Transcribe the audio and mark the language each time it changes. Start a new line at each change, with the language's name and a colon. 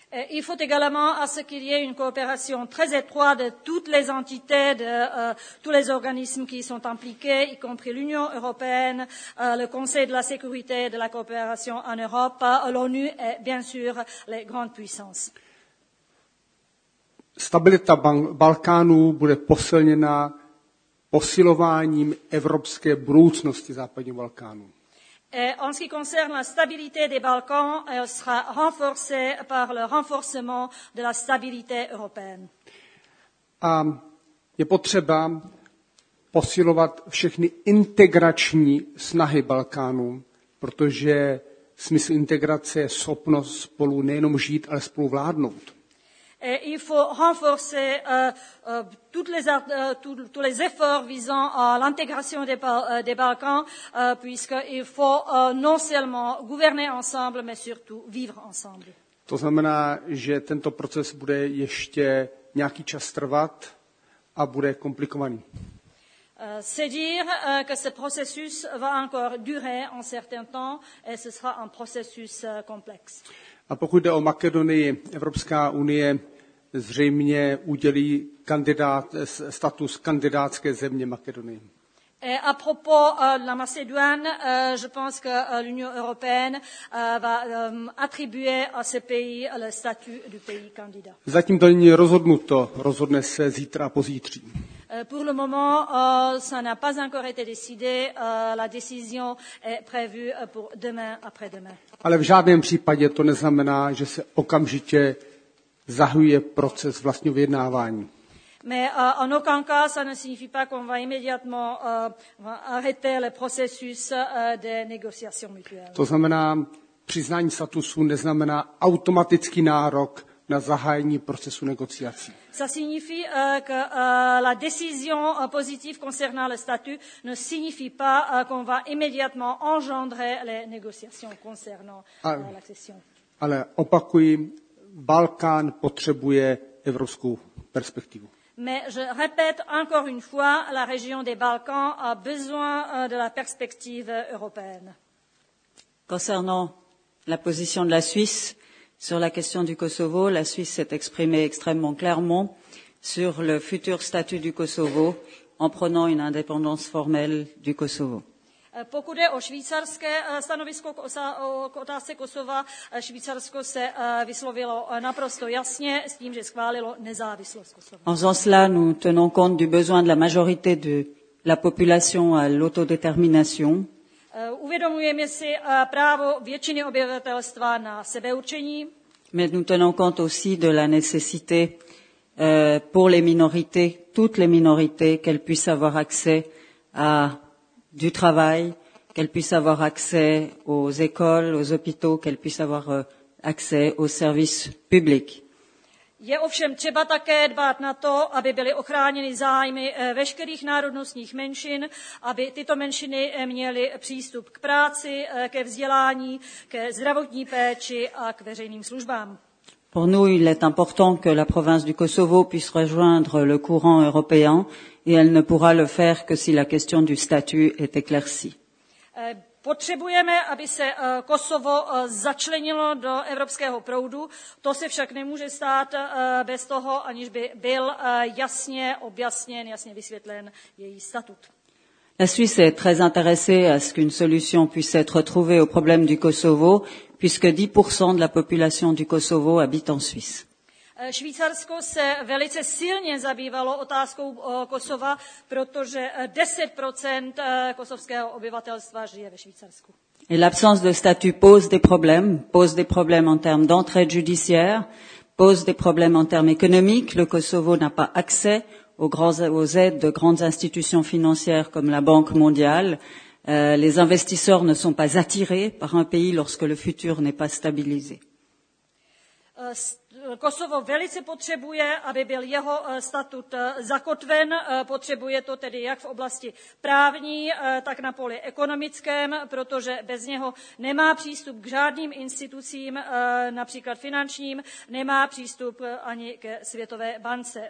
French: Il faut également à ce qu'il y ait une coopération très étroite de toutes les entités, de tous les organismes qui sont impliqués, y compris l'Union européenne, le Conseil de la sécurité et de la coopération en Europe, l'ONU et bien sûr les grandes puissances.
Czech: Stabilita Balkánu bude posilněna posilováním evropské budoucnosti západního Balkánu.
French: En ce qui concerne la stabilité des Balkans, elle sera renforcée par le renforcement de la stabilité européenne.
Czech: A je potřeba posilovat všechny integrační snahy Balkánu, protože smysl integrace je schopnost spolu nejenom žít, ale spolu vládnout.
French: Et il faut renforcer tous les efforts visant à l'intégration des Balkans, puisqu'il faut non seulement gouverner ensemble, mais surtout vivre ensemble.
Czech: To znamená, že tento proces bude ještě nějaký čas trvat a bude komplikovaný.
French: C'est dire que ce processus va encore durer un certain temps et ce sera un processus complexe.
Czech: A pokud jde o Makedonii, Evropská unie zřejmě udělí status kandidátské země Makedonii.
French: Et à propos de la Macédoine, je pense que l'Union européenne va attribuer à ce pays le statut du pays candidat.
Czech: Zatím to není rozhodnuto, rozhodne se zítra a pozítří.
French: Pour le moment, ça n'a pas encore été décidé. La décision est prévue pour demain, après-demain.
Czech: Ale v žádném případě to neznamená, že se okamžitě zahajuje proces vlastního vyjednávání.
French: Mais en aucun cas, ça ne signifie pas qu'on va immédiatement arrêter le processus de négociation mutuelle.
Czech: To znamená, přiznání statusu neznamená automatický nárok na zahájení procesu negociací.
French: Ça signifie que la décision positive concernant le statut ne signifie pas qu'on va immédiatement engendrer les négociations concernant l'accession.
Czech: Ale opakuji, Balkán potřebuje evropskou perspektivu.
French: Mais je répète encore une fois, la région des Balkans a besoin de la perspective européenne. Concernant la position de la Suisse, sur la question du Kosovo, la Suisse s'est exprimée extrêmement clairement sur le futur statut du Kosovo en prenant une indépendance formelle du Kosovo.
Czech: Pokud je o švýcarské stanovisko k otázce Kosova, Švýcarsko se vyslovilo naprosto jasně s tím, že schválilo nezávislost Kosova.
French: En faisant cela, nous tenons compte du besoin de la majorité de la population à l'autodétermination.
Czech: Uvědomujeme si právo většiny obyvatelstva na sebeurčení.
French: Mais nous tenons compte aussi de la nécessité pour les minorités, toutes les minorités, qu'elles puissent avoir accès à du travail, qu'elles puissent avoir accès aux écoles, aux hôpitaux, qu'elles puissent avoir accès aux services publics.
Czech: Je ovšem třeba také dbát na to, aby byly ochráněny zájmy veškerých národnostních menšin, aby tyto menšiny měly přístup k práci, ke vzdělání, ke zdravotní péči a k veřejným službám.
French: Pour nous, il est important que la province du Kosovo puisse rejoindre le courant européen et elle ne pourra le faire que si la question du statut est éclaircie.
Czech: Potřebujeme, aby se Kosovo začlenilo do evropského proudu. To se však nemůže stát bez toho, aniž by byl jasně objasněn, jasně vysvětlen její statut.
French: La Suisse est très intéressée à ce qu'une solution puisse être trouvée au problème du Kosovo, puisque 10% de la population du Kosovo habite en Suisse.
Czech: Švýcarsko se velice silně zabývalo otázkou Kosova, protože 10% kosovského obyvatelstva žije ve Švýcarsku.
French: Et l'absence de statut pose des problèmes en termes d'entraide judiciaire, pose des problèmes en termes économiques. Le Kosovo n'a pas accès aux aides de grandes institutions financières comme la Banque mondiale. Les investisseurs ne sont pas attirés par un pays lorsque le futur n'est pas stabilisé.
Czech: Kosovo velice potřebuje, aby byl jeho statut zakotven. Potřebuje to tedy jak v oblasti právní, tak na poli ekonomickém, protože bez něho nemá přístup k žádným institucím, například finančním, nemá přístup ani ke Světové bance.